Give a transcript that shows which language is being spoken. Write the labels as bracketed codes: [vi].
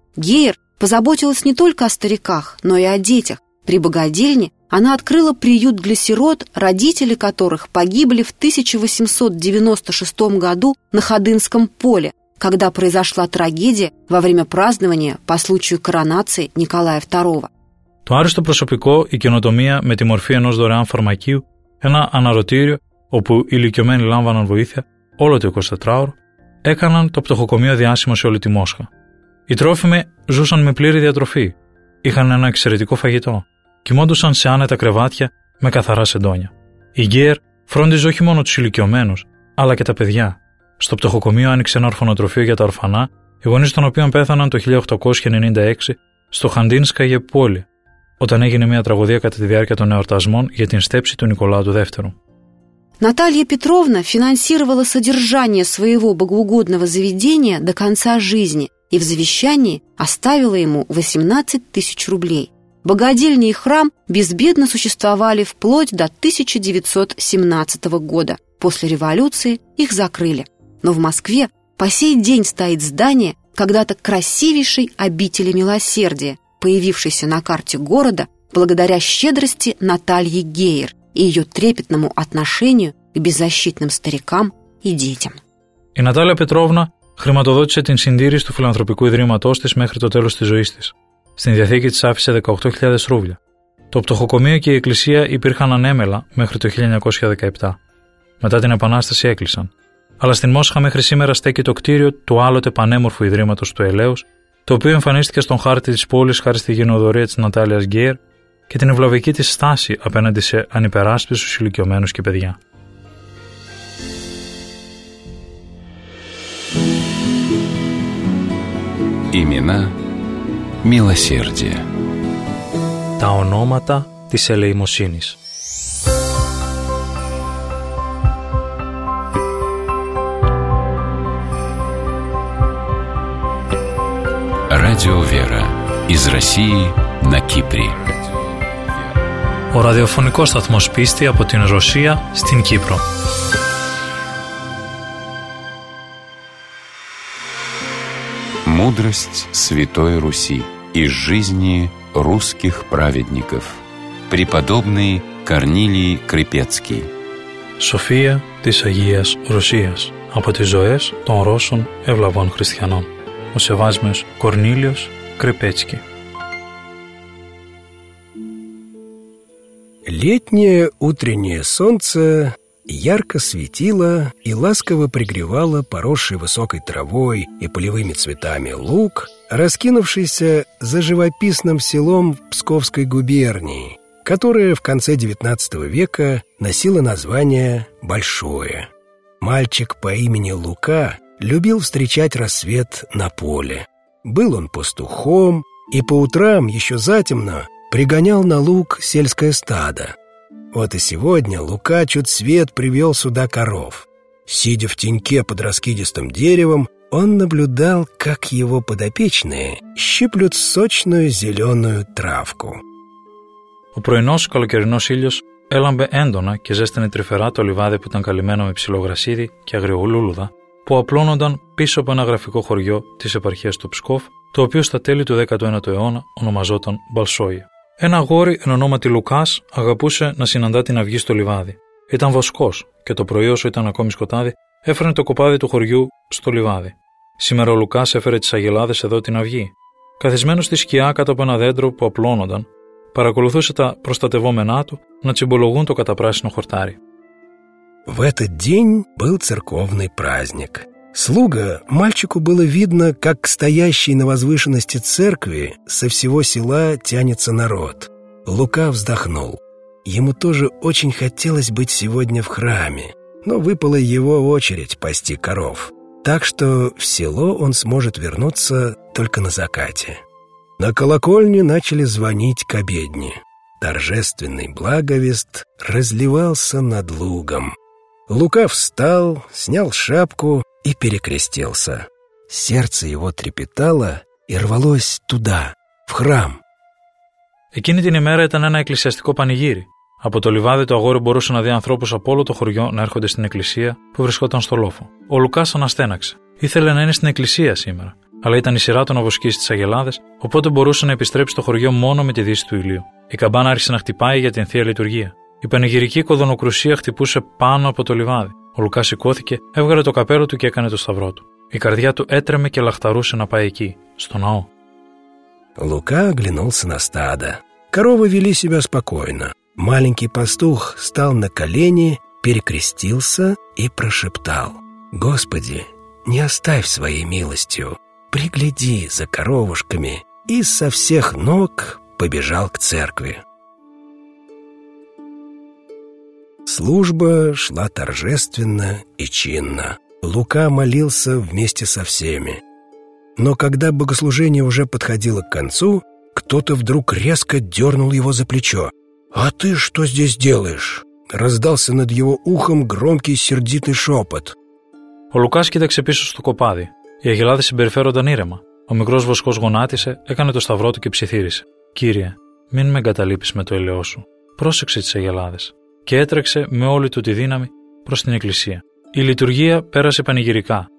[ru] Гейер позаботилась не только о стариках, но и о детях. При богадельне она открыла приют для сирот, родители которых погибли в 1896 году на Ходынском поле, когда произошла трагедия во время празднования по случаю коронации Николая II. [el] Το άριστο προσωπικό, η καινοτομία με τη μορφή ενός δωρεάν φαρμακείου, ένα αναρωτήριο όπου οι ηλικιωμένοι λάμβαναν βοήθεια όλο το 24ωρο, έκαναν το πτωχοκομείο διάσημο σε όλη τη Μόσχα. Οι τρόφιμοι ζούσαν με πλήρη διατροφή, είχαν ένα εξαιρετικό φαγητό, κοιμόντουσαν σε άνετα κρεβάτια με καθαρά σεντόνια. Η Γκέρ φρόντιζε όχι μόνο τους ηλικιωμένους, αλλά και τα παιδιά. Στο πτωχοκομείο άνοιξε ένα ορφανοτροφείο για τα ορφανά, οι γονείς των οποίων πέθαναν το 1896 στο Χαντίνσκαγε πόλη, όταν έγινε μια τραγωδία κατά τη διάρκεια των εορτασμών για την στέψη του Νικολάου του Δεύτερου. [ru] Наталья Петровна финансировала содержание своего богоугодного заведения до конца жизни и в завещании оставила ему 18 тысяч рублей. Богодельня и храм безбедно существовали вплоть до 1917 года. После революции их закрыли. Но в Москве по сей день стоит здание когда-то красивейшей обители милосердия, появившейся на карте города благодаря щедрости Натальи Гейер и ее трепетному отношению к беззащитным старикам и детям. И [el] Наталья Петровна χρηματοδότησε την συντήρηση του φιλανθρωπικού ιδρύματός της μέχρι το τέλος της ζωής της. Στην διαθήκη της άφησε 18.000 ρούβλια. Το πτωχοκομείο και η εκκλησία υπήρχαν ανέμελα μέχρι το 1917. Μετά την Επανάσταση έκλεισαν. Αλλά στην Μόσχα μέχρι σήμερα στέκει το κτίριο του άλλοτε πανέμορφου ιδρύματος του Ελέους, το οποίο εμφανίστηκε στον χάρτη της πόλης χάρη στη γενεοδορία της Νατάλιας Γκέρ και την ευλαβική της στάση απέναντι σε ανυπεράσπιστους ηλικιωμένους και παιδιά. [ru] Имена милосердия. [el] Τα ονόματα της ελεημοσύνης. [ru] Радио Вера из России на Кипре. [el] Ο ραδιοφωνικός σταθμός πίστη από την Ρωσία στην Κύπρο. [ru] «Мудрость Святой Руси из жизни русских праведников». Преподобный Корнилий Крипецкий. [el] София της Αγίας Ρωσίας από τις ζωές των Ρώσων ευλαβών χριστιανών. Ο σεβάσμιος Κορνίλιος Κρυπέτσκι. [ru] Летнее утреннее солнце ярко светило и ласково пригревало поросший высокой травой и полевыми цветами луг, раскинувшийся за живописным селом Псковской губернии, которое в конце XIX века носило название «Большое». Мальчик по имени Лука любил встречать рассвет на поле. Был он пастухом и по утрам, еще затемно, пригонял на луг сельское стадо. Вот и сегодня Лука чуть свет привел сюда коров. Сидя в теньке под раскидистым деревом, он наблюдал, как его подопечные щиплют сочную зеленую травку. [el] Ο πρωινός καλοκαιρινός ήλιος έλαμπε έντονα και ζέστανε τρυφερά το λιβάδι που ήταν καλυμμένο με ψιλογρασίδι και αγριολούλουδα που απλώνονταν πίσω από ένα γραφικό χωριό της επαρχίας του Ψκόφ, το οποίο στα τέλη του 19ου αιώνα ονομαζόταν Μπαλσόια. Ένα αγόρι εν ονόματι Λουκάς αγαπούσε να συναντά την αυγή στο λιβάδι. Ήταν βοσκός και το πρωί, όσο ήταν ακόμη σκοτάδι, έφερε το κοπάδι του χωριού στο λιβάδι. Σήμερα ο Λουκάς έφερε τις αγελάδες εδώ την αυγή. Καθισμένο στη σκιά κάτω από ένα δέντρο που απλώνονταν, παρακολουθούσε τα προστατευόμενά του να τσιμπολογούν το καταπράσινο χορτάρι. [ru] В этот день был церковный праздник. Слуга мальчику было видно, как к стоящей на возвышенности церкви со всего села тянется народ. Лука вздохнул. Ему тоже очень хотелось быть сегодня в храме, но выпала его очередь пасти коров. Так что в село он сможет вернуться только на закате. На колокольне начали звонить к обедне. Торжественный благовест разливался над лугом. Лука встал, снял шапку и перекрестился. Сердце его трепетало и рвалось туда, в храм. [el] Εκείνη την ημέρα ήταν ένα εκκλησιαστικό πανηγύρι. Από το λιβάδι το αγόρι μπορούσε να δει ανθρώπους από όλο το χωριό να έρχονται στην εκκλησία που βρισκόταν στο λόφο. Ο Λουκάς αναστέναξε. Ήθελε να είναι στην εκκλησία σήμερα. Αλλά ήταν η σειρά του να βοσκήσει τις αγελάδες, οπότε μπορούσε να επιστρέψει στο χωριό μόνο με τη δύση του ηλίου. Η καμπάνα άρχισε να χτυπάει για την θεία λειτουργία. Η πανηγυρική κοδωνοκρουσία χτυπούσε πάνω από το λιβάδι. Ο Λουκάς σηκώθηκε, έβγαλε το καπέλο του και έκανε το σταυρό του. Η καρδιά του έτρεμε και λαχταρούσε να πάει εκεί, στο ναό. [ru] Λουκά оглянулся на стадо. Коровы вели себя спокойно. Маленький пастух стал на колени, перекрестился и прошептал: «Господи, не оставь своей милостью. Пригляди за коровушками», и со всех ног побежал к церкви. Служба шла торжественно и чинно. Лука молился вместе со всеми. Но когда богослужение уже подходило к концу, кто-то вдруг резко дернул его за плечо. «А ты что здесь делаешь?» Раздался над его ухом громкий сердитый шепот. [el] «О Лукас кидакся пишу сту копади». Οι αγελάδες συμπεριφέρονταν ήρεμα. Ο μικρός βοσκός γονάτισε, έκανε το σταυρό του και ψιθύρισε. «Κύριε, μην με εγκαταλείπεις με το ελαιό σου. Πρόσεξε τις αγελάδες». Και έτρεξε με όλη του τη δύναμη προς την εκκλησία. Η λειτουργία πέρασε πανηγυρικά.